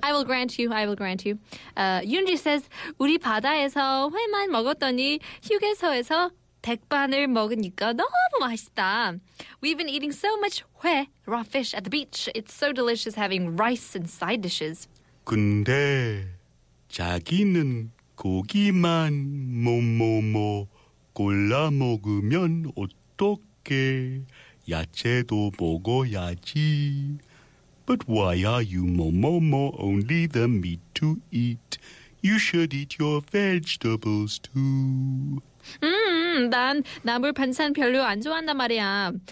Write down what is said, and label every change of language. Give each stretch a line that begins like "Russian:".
English: I will grant you. Yoonji says,
Korean: 우리 바다에서 회만 먹었더니 휴게소에서 백반을 먹으니까 너무 맛있다.
English: We've been eating so much hwe, raw fish, at the beach. It's so delicious having rice and side dishes.
Korean: 근데 자기는 고기만 뭐뭐뭐 골라 먹으면 어떡해. 야채도 먹어야지.
English: But why are you mo-mo-mo only the meat to eat? You should eat your vegetables too.
Korean: 난 나물 반찬 별로 안 좋아한단 말이야.